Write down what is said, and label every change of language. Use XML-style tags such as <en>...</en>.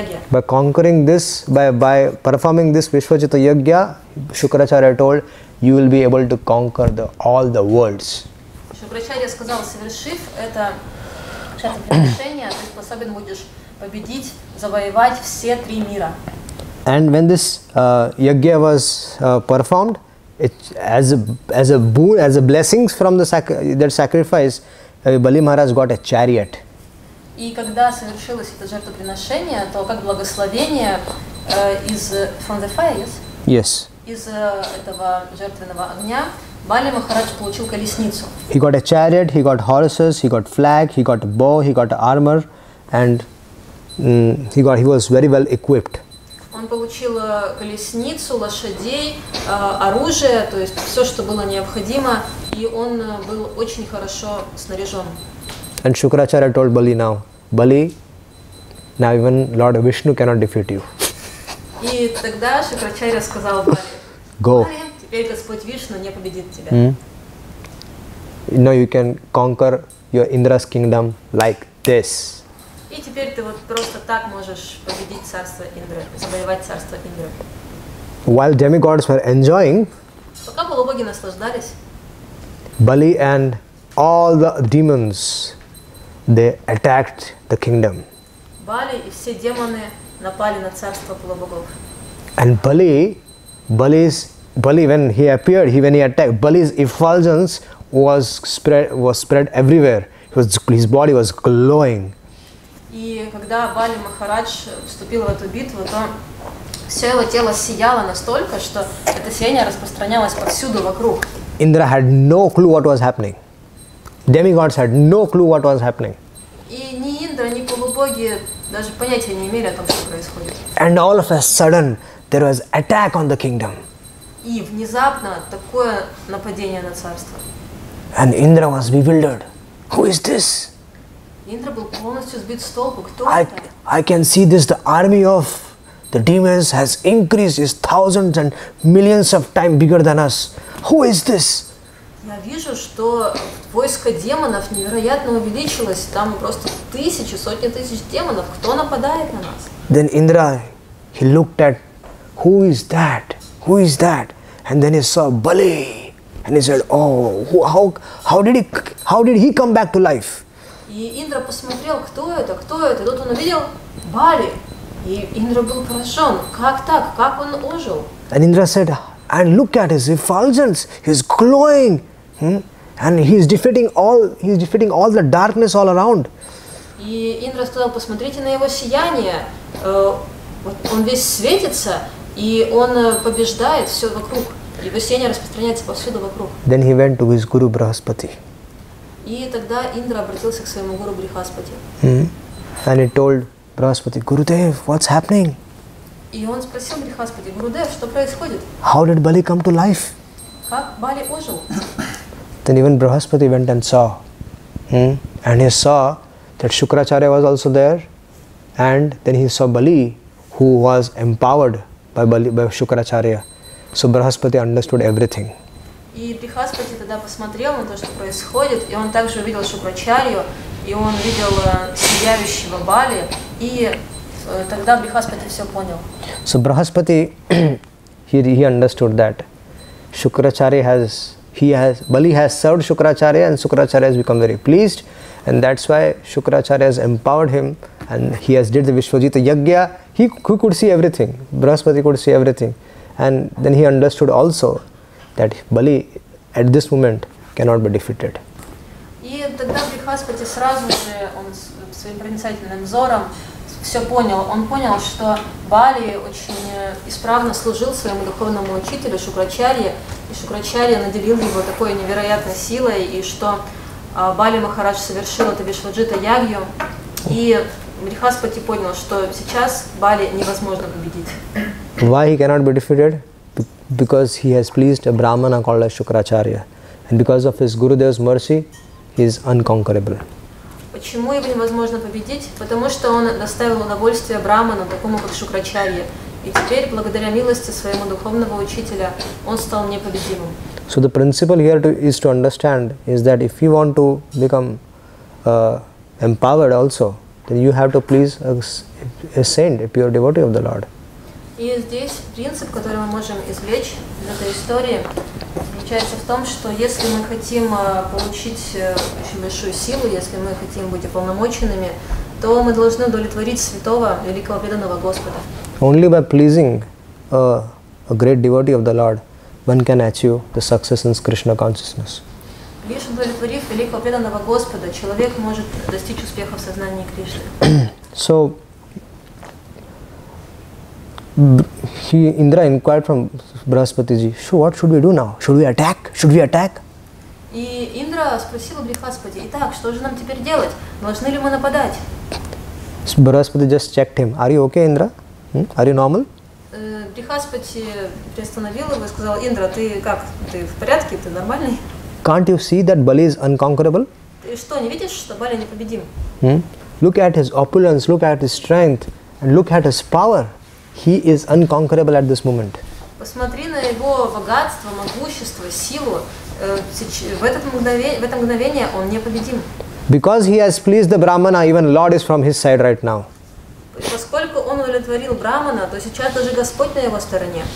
<en>By conquering this, by performing this Vishvajita Yagya, Shukracharya told, you will be able to conquer all the worlds.</en> <ru>Shukracharya сказал, совершив это жертвоприношение, ты способен будешь победить, завоевать все три мира.</ru> <en>And when this Yagya was performed, as a blessing from that sacrifice, Bali Maharaj got a chariot.</en> <ru>И когда совершилось это жертвоприношение, то как благословение из этого жертвенного огня, Бали Махарадж получил колесницу.</ru> <en>He got a chariot, he got horses, he got flag, he got bow, he got armor, and he was very well equipped.</en> <ru>Он получил колесницу, лошадей, оружие, то есть все, что было необходимо, и он был очень хорошо снаряжен.</ru> <en>And Shukracharya told Bali now, Bali, now even Lord Vishnu cannot defeat you.</en> <ru>И тогда Шукрачарья сказал Бали,</ru> <en>Go.</en> <ru>Теперь Господь Вишну не победит тебя.</ru> <en>Now you can conquer your Indra's kingdom like this.</en> <ru>И теперь ты вот просто так можешь победить царство Индры, завоевать царство Индры.</ru> <en>While demigods were enjoying,</en> <ru>пока полубоги наслаждались,</ru> <en>Bali and all the demons, they attacked the kingdom.</en> <ru>Бали и все демоны напали на царство полубогов.</ru> <en>And Bali, when he appeared, when he attacked, Bali's effulgence was spread everywhere. His body was glowing.</en> <ru>И когда Бали Махарадж вступил в эту битву, то все его тело сияло настолько, что это сияние распространялось повсюду вокруг.</ru> <en>Indra had no clue what was happening. Demigods had no clue what was happening.</en> <ru>И ни Индра, ни полубоги даже понятия не имели о том, что происходит.</ru> <en>And all of a sudden, there was attack on the kingdom.</en> <ru>И внезапно такое нападение на царство.</ru> <en>And Indra was bewildered. Who is this?</en> <ru>Индра был полностью сбит с толку. Кто это?</ru> <en>I can see this, the army of the demons has increased, is thousands and millions of times bigger than us. Who is this?</en> <ru>Я вижу, что войско демонов невероятно увеличилось. Там просто тысячи, сотни тысяч демонов. Кто нападает на нас?</ru> <en>Then Indra, he looked at, who is that? Who is that? And then he saw Bali. And he said, oh, how did he come back to life?</en> <ru>И Индра посмотрел, кто это. И тут он увидел Бали. И Индра был поражен. Как так? Как он ожил?</ru> <en>And Indra said, and look at his effulgence, he's glowing. And he's defeating all the darkness all around.</en> <ru>И Индра сказал, посмотрите на его сияние. Вот он весь светится, и он побеждает все вокруг. Его сияние распространяется повсюду вокруг.</ru> <en>Then he went to his guru Брахаспати.</en> <ru>И тогда Индра обратился к своему гуру Брихаспати.</ru> <en>And he told Brahaspati, Gurudev, what's happening?</en> <ru>И он спросил Брихаспати, Гурудев, что происходит?</ru> <en>How did Bali come to life?</en> <ru>Как Бали ожил?</ru> <en>Then even Brihaspati went and saw. And he saw that Shukracharya was also there. And then he saw Bali, who was empowered by Bali, by Shukracharya. So Brihaspati understood everything.</en> <ru>И Брихаспати тогда посмотрел на то, что происходит, и он также увидел Шукрачарью, и он видел сияющего Бали, и тогда Брихаспати все понял.</ru> <en>So Брихаспати, he understood that Shukracharya has, Bali has served Shukracharya, and Shukracharya has become very pleased, and that's why Shukracharya has empowered him, and he has did the Vishwajita Yajna. He could see everything. Brihaspati could see everything, and then he understood also that Bali at this moment cannot be defeated.</en> <ru>И тогда Брихаспати сразу же он своим проницательным взором все понял. Он понял, что Бали очень исправно служил своему духовному учителю Шукрачарье, и Шукрачарья наделил его такой невероятной силой, и что Бали Махарадж совершил это Вишваджита Ягью, и Брихаспати понял, что сейчас Бали невозможно победить.</ru> <en>Why he cannot be defeated? Because he has pleased a Brahmana called as Shukracharya, and because of his Gurudev's mercy, he is unconquerable.</en> <ru>Почему его невозможно победить? Потому что он доставил удовольствие Брахману, такому как Шукрачарья. И теперь, благодаря милости своему духовного учителя, он стал непобедимым.</ru> <en>So the principle here is to understand is that if you want to become empowered also, then you have to please a saint, a pure devotee of the Lord.</en> <ru>И здесь принцип, который мы можем извлечь из этой истории, заключается в том, что если мы хотим получить очень большую силу, если мы хотим быть уполномоченными, то мы должны удовлетворить святого, великого преданного Господа.</ru> <en>Only by pleasing a great devotee of the Lord, one can achieve the success in Krishna consciousness.</en> <ru>Лишь удовлетворив великого преданного Господа, человек может достичь успеха в сознании Кришны.</ru> <en>So, Indra inquired from Brihaspati ji, so what should we do now? Should we attack? Should we attack?</en> <ru>И Индра спросил Брихаспати, итак, что же нам теперь делать? Должны ли мы нападать?</ru> <en>Брихаспати just checked him. Are you okay, Indra? Are you normal?</en> <ru>Брихаспати приостановил его и сказал, Индра, ты как? Ты в порядке? Ты нормальный?</ru> <en>Can't you see that Bali is unconquerable?</en> <ru>Ты что, не видишь, что Бали непобедим?</ru> <en>Look at his opulence, look at his strength, and look at his power. He is unconquerable at this moment.</en> <ru>Посмотри на его богатство, могущество, силу. В это мгновение он непобедим.</ru> <en>Because he has pleased the Brahmana, even Lord is from his side right now.</en> <ru>Поскольку он удовлетворил Брахмана, то сейчас даже Господь на его стороне.</ru>